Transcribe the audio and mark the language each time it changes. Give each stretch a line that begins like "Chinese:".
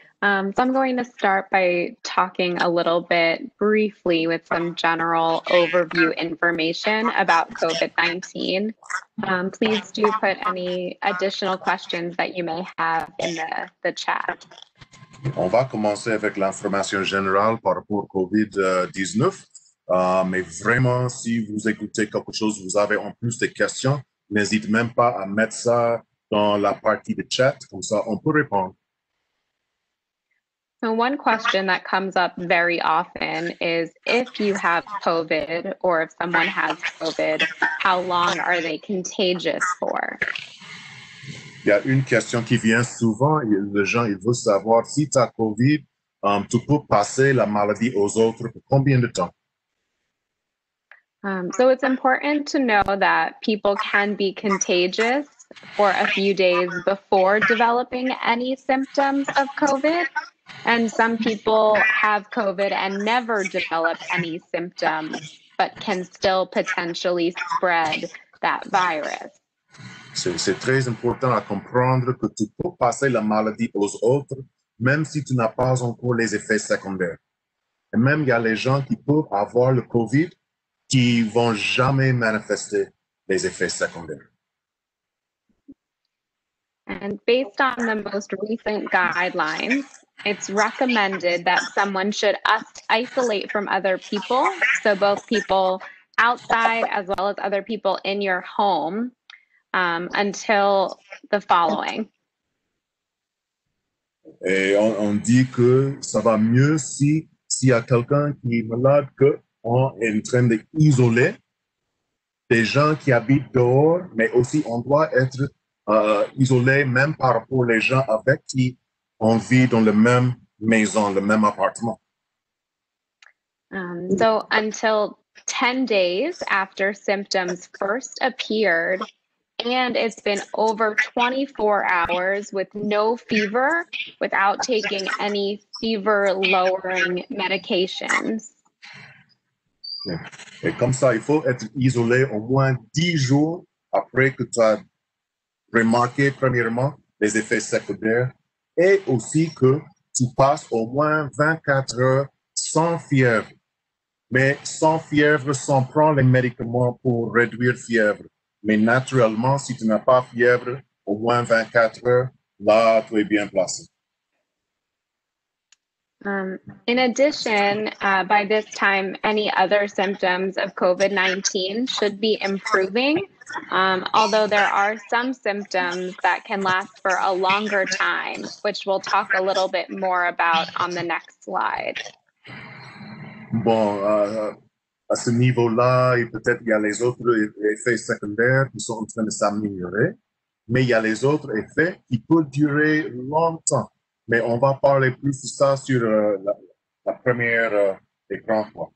English: So I'm going to start by talking a little bit briefly with some general overview information about COVID-19. Please do put any additional questions that you may have in the chat.
French: On va commencer avec l'information générale par rapport à COVID-19. Mais vraiment, si vous écoutez quelque chose, vous avez en plus des questions, n'hésitez même pas à mettre ça dans la partie de chat, comme ça on peut répondre.
English: So one question that comes up very often is if you have COVID or if someone has COVID, how long are they contagious for?
French: Il y a une question qui vient souvent, les gens ils veulent savoir si tu as COVID, tu peux passer la maladie aux autres pour combien de temps?
English: So it's important to know that people can be contagious for a few days before developing any symptoms of COVID. And some people have COVID and never develop any symptoms, but can still potentially spread that virus.
French: C'est très important à comprendre que tu peux passer la maladie aux autres, même si tu n'as pas encore les effets secondaires. Et même il y a les gens qui peuvent avoir le COVID qui vont jamais manifester les effets secondaires.
English: And based on the most recent guidelines, it's recommended that someone should isolate from other people, so both people outside as well as other people in your home, until the following.
French: Et on dit que ça va mieux si y a quelqu'un qui est malade que on est en train d'isoler des gens qui habitent dehors, mais aussi on doit être isolé même par rapport aux gens avec qui on vit dans la même maison, le même appartement.
English: So until 10 days after symptoms first appeared, and it's been over 24 hours with no fever, without taking any fever-lowering medications. Yeah.
French: Et comme ça, il faut être isolé au moins 10 jours après que tu as remarqué premièrement les effets secondaires, et aussi que tu passes au moins 24 heures sans fièvre. Mais sans fièvre, sans prendre les médicaments pour réduire fièvre. Mais naturellement, si tu n'as pas fièvre, au moins 24 heures, là, tu es bien placé.
English: In addition, by this time, any other symptoms of COVID-19 should be improving, although there are some symptoms that can last for a longer time, which we'll talk a little bit more about on the next slide.
French: Bon, à ce niveau-là, et peut-être il y a les autres effets secondaires qui sont en train de s'améliorer, mais il y a les autres effets qui peuvent durer longtemps. Mais on va parler plus de ça sur la première écran, quoi.